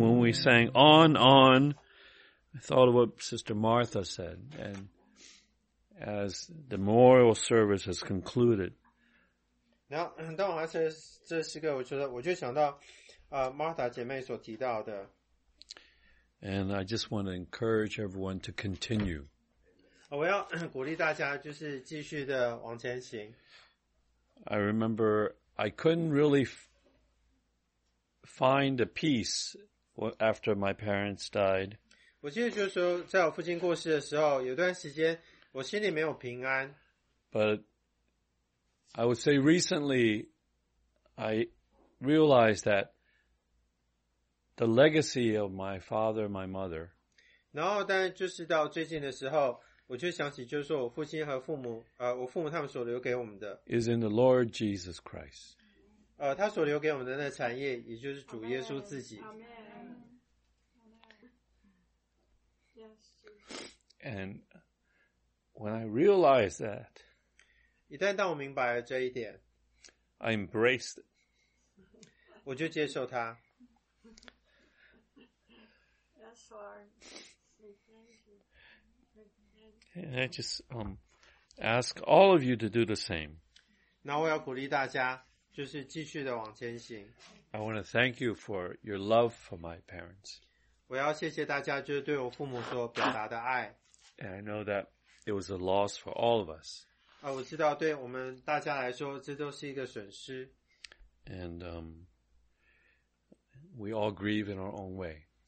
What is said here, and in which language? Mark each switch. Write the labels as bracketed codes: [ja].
[en] When we sang on, I thought of what Sister Martha said, and as the memorial service has concluded. [zh] Now, 当我还是这诗歌，我觉得我就想到，Martha 姐妹所提到的。 [en] And I just want to encourage everyone to continue. [zh] 我要鼓励大家就是继续的往前行。 [en] I remember I couldn't really find a peace after my parents died. [zh] 我记得就是说，在我父亲过世的时候， 有段时间我心里没有平安。 [en] But I would say recently, I realized that the legacy of my father and my mother. [zh] 然后，但就是到最近的时候， 我就想起就是说我父亲和父母， 我父母他们所留给我们的。 [en] Is in the Lord Jesus Christ. [zh] 他所留给我们的那产业， 也就是主耶稣自己。 [en] And when I realized that, [zh] 一旦当我明白了这一点， [en] I embraced it. [zh] 我就接受他。 [en] Yes, Lord. And I just ask all of you to do the same. [zh] 那我要鼓励大家， [en] I want to thank you for your love for my parents. [zh] 我要谢谢大家就是对我父母所表达的爱。 [en] And I know that it was a loss for all of us. 我知道对我们大家来说这都是一个损失。 And we all grieve in our own way.